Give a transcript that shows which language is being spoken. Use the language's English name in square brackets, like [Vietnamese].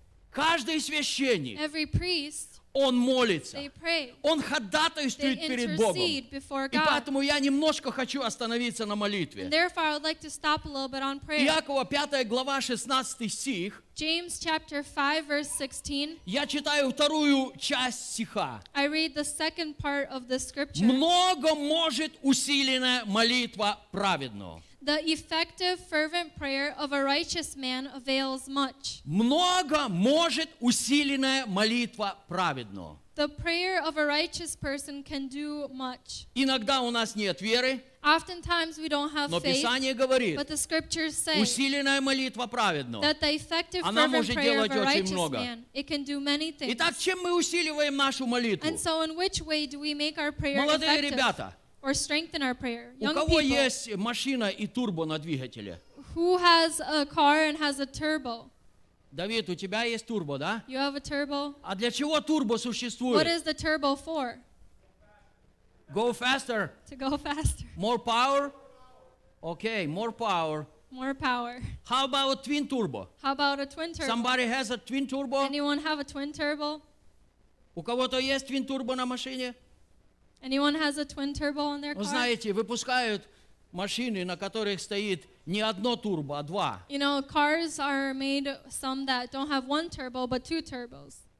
[Russian] Каждый священник, он молится. Он ходатайствует перед Богом. И поэтому я немножко хочу остановиться на молитве. Иакова 5 глава 16 стих. [English] James chapter 5 verse 16. [Russian] Я читаю вторую часть стиха. [English] I read the second part of the scripture. [Russian] Много может усиленная молитва праведного. [English] The effective fervent prayer of a righteous man avails much. [Russian] Много может усиленная молитва праведного. [English] The prayer of a righteous person can do much. [Russian] Иногда у нас нет веры. [English] Oftentimes we don't have [Russian] Но Писание говорит, [English] but the scriptures say, [Russian] усиленная молитва праведного, [English] that the effective fervent prayer of a righteous man, it can do many things. [Russian] Итак, чем мы усиливаем нашу молитву? [English] And so in which way do we make our prayer [Russian] Молодые [English] effective? [Russian] Ребята, [English] or strengthen our prayer? Young [Russian] у кого [English] people, [Russian] есть машина и турбо на двигателе? [English] Who has a car and has a turbo? [Russian] Давид, у тебя есть турбо, да? [English] You have a turbo. [Russian] А для чего турбо существует? [English] What is the turbo for? Go faster. To go faster. More power? Okay, more power. More power. How about a twin turbo? How about a twin turbo? Somebody has a twin turbo? Anyone have a twin turbo? [Russian] У кого-то есть twin turbo на машине? [English] Anyone has a twin turbo on their car? [Russian] Вы знаете, выпускают машины, на которых стоит не одно турбо, а два. [English] You know, cars are made some that don't have one turbo, but two turbos.